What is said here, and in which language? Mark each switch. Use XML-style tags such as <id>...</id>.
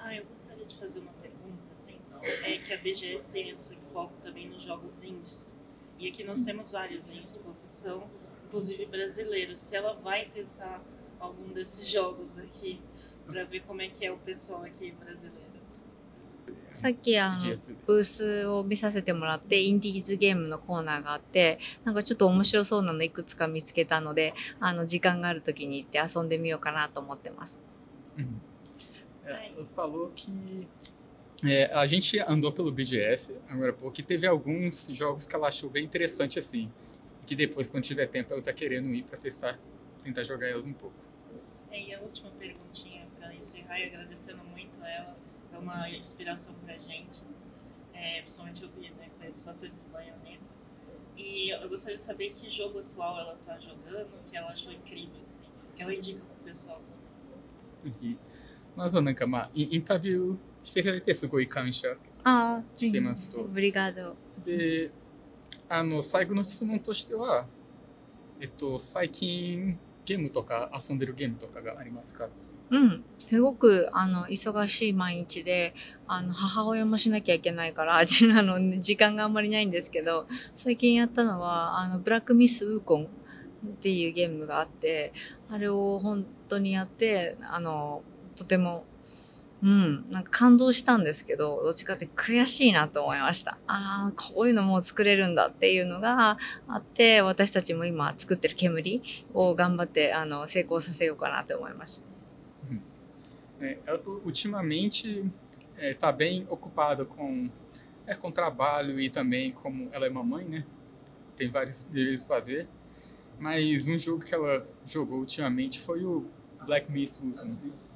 <pt>Eu gostaria de fazer uma pergunta, assim, que a BGS tem esse foco também nos jogos indies, e aqui nós temos vários em exposição, inclusive brasileiro, se ela vai testar algum desses jogos aqui para ver como é que é o pessoal aqui brasileiro.</pt> <ja>さっきブースを見させてもらってインディーズゲームのコーナーがあって、なんかちょっと面白そうなのいくつか見つけたので、時間があるときに行って遊んでみようかなと思ってます。はい。</ja> <pt>Falou que a gente andou pelo BGS agora porque teve alguns jogos que ela achou bem interessante assim. Que depois, quando tiver tempo, ela tá querendo ir para testar, tentar jogar elas um pouco. E a última perguntinha para encerrar, e agradecendo muito ela, é uma inspiração pra gente, principalmente eu vi, né, com esse bastante do Bayonetta. E eu gostaria de saber que jogo atual ela tá jogando, que ela achou incrível, assim, que ela indica pro pessoal. Mas, Anakama, em Tabiu, você quer ter suco e cancha? Ah, sim. Obrigado.</pt> <ja>最後の質問としては、最近ゲームとか遊んでるゲームとかがありますか？うん、すごく忙しい毎日で母親もしなきゃいけないから時間があんまりないんですけど、最近やったのはブラックミスウーコンっていうゲームがあって、あれを本当にやってとてもなんか感動したんですけど、どっちかって悔しいなと思いました。ああ、こういうのもう作れるんだっていうのがあって、私たちも今作ってる煙を頑張って成功させようかなと思いました。</ja> <pt>Ela falou, ultimamente, está bem ocupada com trabalho e também como ela é mamãe, né? Tem vários deveres fazer. Mas jogo que ela jogou ultimamente foi o Black Myth Wukong.</pt>